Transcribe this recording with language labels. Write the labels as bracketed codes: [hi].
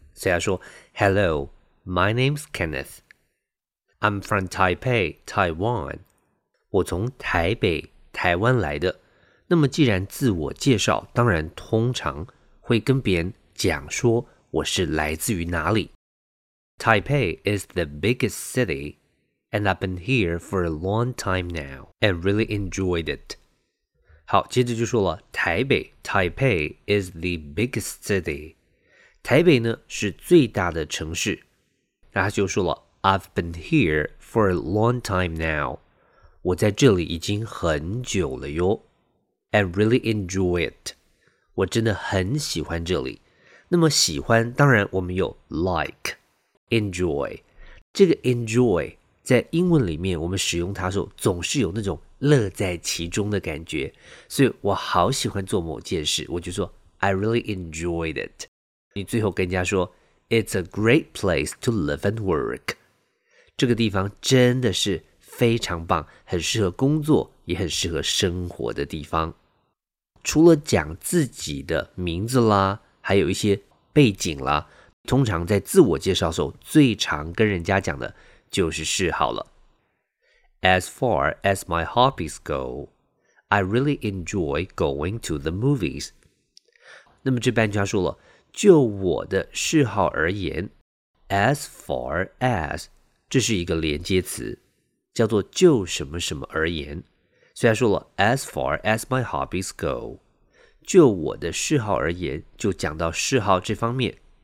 [zh] 所以要说 [en] Hello, my name's Kenneth. I'm from Taipei, Taiwan. [zh] 我从台北，台湾来的。那么既然自我介绍，当然通常会跟别人讲说我是来自于哪里。 [en] Taipei is the biggest city, and I've been here for a long time now, and really enjoyed it. [zh] 好，接着就说了，台北 [en] ,Taipei is the biggest city. [zh] 台北呢是最大的城市。那他就说了 [en] ,I've been here for a long time now. [zh] 我在这里已经很久了哟。 [en] And really enjoy it. [zh] 我真的很喜欢这里。那么喜欢，当然我们有 like, enjoy。这个 enjoy 在英文里面，我们使用它的时候，总是有那种乐在其中的感觉。所以我好喜欢做某件事，我就说 [en] I really enjoyed it。 [zh] 你最后跟人家说 [en] It's a great place to live and work。 [zh] 这个地方真的是非常棒，很适合工作，也很适合生活的地方。除了讲自己的名字啦。还有一些背景啦，通常在自我介绍的时候，最常跟人家讲的就是嗜好了。 [en] As far as my hobbies go, I really enjoy going to the movies. [zh] 那么这半句话说了，就我的嗜好而言 ， [en] as far as [zh] 这是一个连接词，叫做就什么什么而言。虽然说了 [en] as far as my hobbies go。 [zh] 就我的嗜好而言，就讲到嗜好这方面。